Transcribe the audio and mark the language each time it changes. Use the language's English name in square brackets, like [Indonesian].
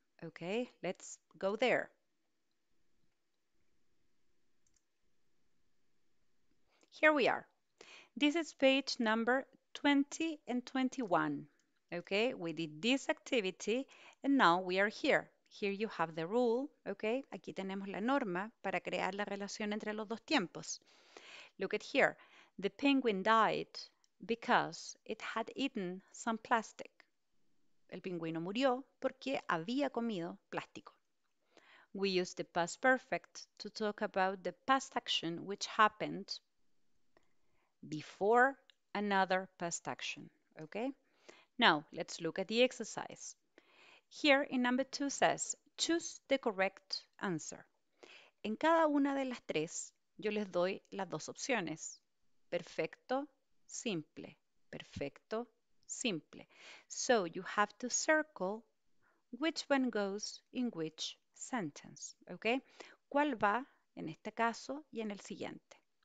[English] Okay, let's go there. Here we are. This is page number 20 and 21. Okay, we did this activity and now we are here. Here you have the rule, okay? [Spanish] Aquí tenemos la norma para crear la relación entre los dos tiempos. [English] Look at here. The penguin died because it had eaten some plastic. [Spanish] El pingüino murió porque había comido plástico. [English] We use the past perfect to talk about the past action which happened before another past action, okay? Now, let's look at the exercise. Here in number two says, choose the correct answer. [Spanish] En cada una de las tres, yo les doy las dos opciones. Perfecto, simple. Perfecto, simple. [English] So you have to circle which one goes in which sentence. Okay? [Spanish] ¿Cuál va en este caso y en el siguiente?